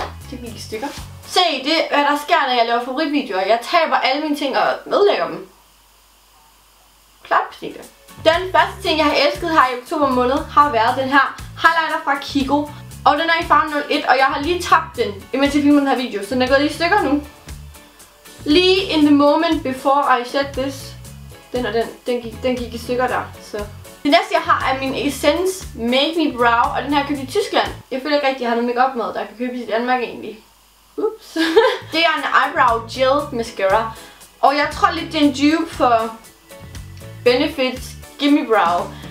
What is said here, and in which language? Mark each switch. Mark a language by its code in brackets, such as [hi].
[da] Det er mine stykker. Se, det er, hvad der sker, når jeg laver favoritvideoer. Jeg taber alle mine ting og medlægger dem. Klart. Den første ting, jeg har elsket her i oktober måned, har været den her highlighter fra Kiko. Og den er i farven 01, og jeg har lige tabt den, imens jeg filmede den her video. Så den er gået i stykker nu. Lige [en] in the moment before I said this. [da] Den og den, den gik i stykker der, så. Det næste, jeg har, er min Essence Make Me Brow, og den her købte i Tyskland. Jeg føler ikke rigtig, jeg har noget makeup med, der kan købe i Danmark egentlig. Ups. Det er en eyebrow gel mascara. Og jeg tror lidt, det er en dupe for Benefit Gimme Brow.